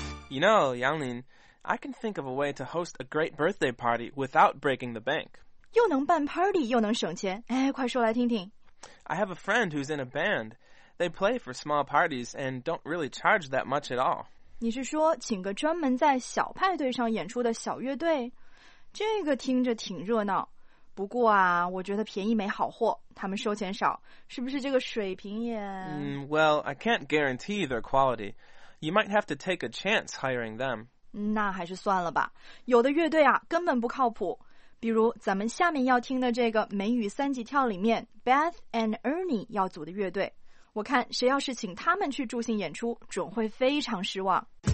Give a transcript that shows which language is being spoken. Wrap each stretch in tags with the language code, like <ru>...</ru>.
<en>You know, Yangling, I can think of a way to host a great birthday party without breaking the bank.</en> <zh>又能办 party, 又能省钱。哎，快说来听听。</zh> <en>I have a friend who's in a band. They play for small parties and don't really charge that much at all.</en> <zh>你是说请个专门在小派对上演出的小乐队？这个听着挺热闹。不过啊，我觉得便宜没好货，他们收钱少，是不是这个水平也……</zh> <en>Well, I can't guarantee their quality. You might have to take a chance hiring them.</en> <zh>那还是算了吧。有的乐队啊，根本不靠谱。比如咱们下面要听的这个美语三级跳里面 ，Beth and Ernie 要组的乐队，我看谁要是请他们去助兴演出，准会非常失望。</zh>